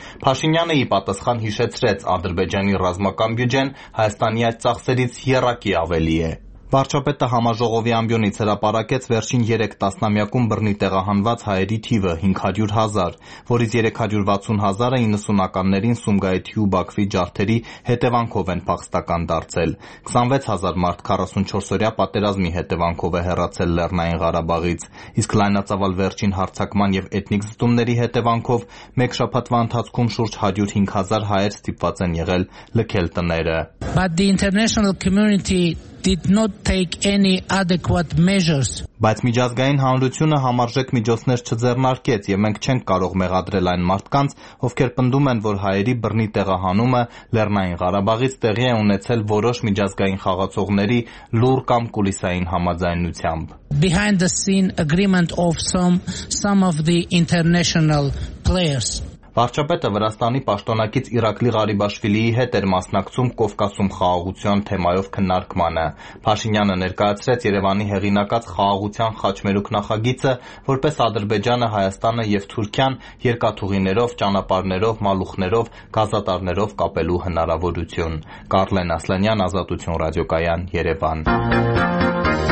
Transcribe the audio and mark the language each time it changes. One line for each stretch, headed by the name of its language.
Armenian: Փաշինյանը ի պատասխան հիշեցրեց, Ադրբեջանի ռազմական բյուջեն Հայաստանի այդ ծախսերից հեռակի ավելի է։ Վարչապետը համաժողովի ամբյունից հրապարակեց վերջին 3 տասնամյակում բռնի տեղահանված հայերի թիվը 500 000, որից 360 000-ը 90-ականներին Սումգայիթի ու Բաքվի ջարդերի հետևանքով են փախստական դարձել։ 26 000 մարդ 44-օրյա պատերազմի հետևանքով է հեռացել Լեռնային Ղարաբաղից, իսկ լայնածավալ վերջին հարձակման և էթնիկ զտումների հետևանքով մեկ շաբաթվա ընթացքում շուրջ 105 000 հայեր ստիպված են եղել լքել տները։
English: But the international community did not take any adequate measures.
Armenian: Բայց միջազգային համայնությունը համարժեք միջոցներ չձեռնարկեց, և մենք չենք կարող մեղադրել այն մարդկանց, ովքեր պնդում են, որ հայերի բռնի տեղահանումը Լեռնային Ղարաբաղից տեղի է ունեցել որոշ միջազգային խաղացողների լուր կամ կուլիսային համաձայնությամբ.
English: Behind the scene agreement of some of the international players.
Armenian: Վարչապետը Վրաստանի պաշտոնակից Իրակլի Ղարիբաշվիլիի հետ էր մասնակցում Կովկասում խաղաղության թեմայով քննարկմանը։ Փաշինյանը ներկայացրեց Երևանի հեղինակած խաղաղության խաչմերուկ նախագիծը, որպես Ադրբեջանը, Հայաստանը և Թուրքիան երկաթուղիներով, ճանապարհներով, մալուխներով, գազատարներով կապելու հնարավորություն։ Կարլեն Ասլանյան, Ազատություն ռադիոկայան, Երևան։